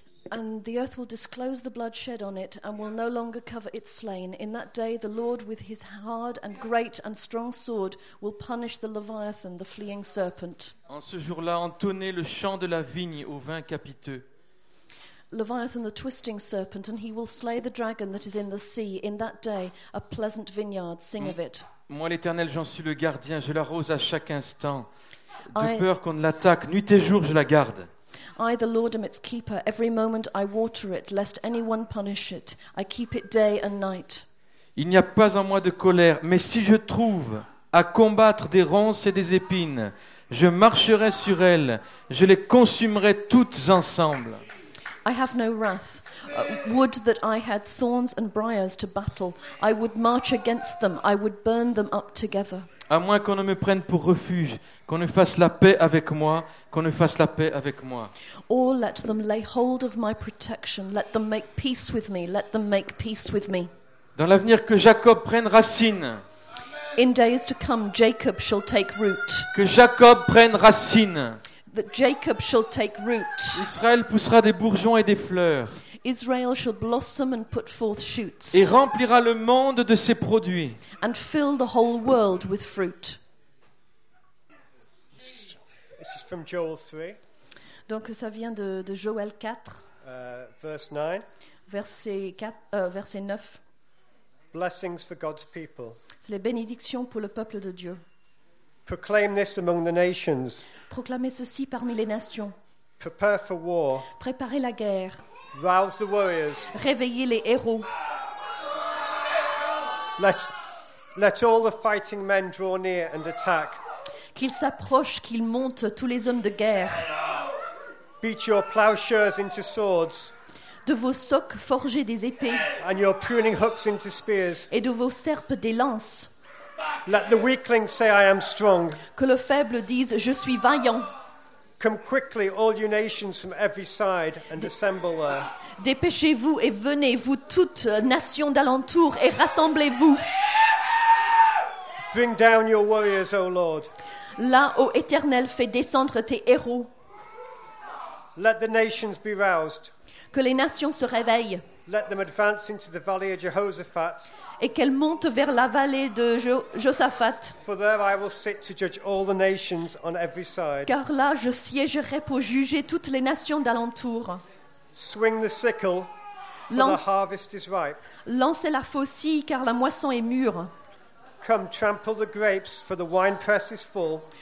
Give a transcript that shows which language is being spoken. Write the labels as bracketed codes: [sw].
[en] And the earth will disclose the blood shed on it and will no longer cover its slain. In that day, the Lord with his hard and great and strong sword will punish the Leviathan, the fleeing serpent. [fr] En ce jour-là, entonnez le chant de la vigne au vin capiteux. [en] Leviathan, the twisting serpent, and he will slay the dragon that is in the sea. In that day, a pleasant vineyard, sing of it. [fr] Moi, l'Éternel, j'en suis le gardien, je l'arrose à chaque instant. De peur qu'on ne l'attaque, nuit et jour, je la garde. [en] I, the Lord, am its keeper. Every moment I water it, lest anyone punish it. I keep it day and night. [fr] Il n'y a pas en moi de colère, mais si je trouve à combattre des ronces et des épines, je marcherai sur elles, je les consumerai toutes ensemble. [en] I have no wrath. Would that I had thorns and briars to battle. I would march against them. I would burn them up together. [fr] À moins qu'on ne me prenne pour refuge, qu'on ne fasse la paix avec moi, qu'on ne fasse la paix avec moi. [en] Or let them lay hold of my protection, let them make peace with me, let them make peace with me. [fr] Dans l'avenir que Jacob prenne racine. [en] In days to come, Jacob shall take root. [fr] Que Jacob prenne racine. [en] That Jacob shall take root. [fr] Israël poussera des bourgeons et des fleurs. [en] Israel shall blossom and put forth shoots. [fr] Et remplira le monde de ses produits. [en] And fill the whole world with fruit. This is from Joel 3. [fr] Donc ça vient de Joël 4. [en] Verse 9. [fr] Verset 9. [en] Blessings for God's people. [fr] C'est les bénédictions pour le peuple de Dieu. [en] Proclaim this among the nations. [fr] Proclamez ceci parmi les nations. [en] Prepare for war. [fr] Préparez la guerre. [en] Rouse the warriors. [fr] Réveillez les héros. [en] Let all the fighting men draw near and attack. [fr] Qu'ils s'approchent, qu'ils montent, tous les hommes de guerre. [en] Beat your plowshares into swords. [fr] De vos socs, forgez des épées. [en] And your pruning hooks into spears. [fr] Et de vos serpes, des lances. [en] Let the weakling say, I am strong. [fr] Que le faible dise, je suis vaillant. [en] Come quickly, all you nations from every side, and assemble there. [fr] Dépêchez-vous et venez, vous toutes nations d'alentour, et rassemblez-vous. [en] Bring down your warriors, O Lord. [fr] Là, ô Éternel, fais descendre tes héros. [en] Let the nations be roused. [fr] Que les nations se réveillent. [en] Let them advance into the valley of Jehoshaphat. [fr] Et qu'elles montent vers la vallée de Josaphat. [en] For there I will sit to judge all the nations on every side. [fr] Car là je siégerai pour juger toutes les nations d'alentour. [en] Swing the sickle, for the harvest is ripe. [fr] Lancez la faucille, car la moisson est mûre. [en] Come, trample the grapes, for the wine press is full.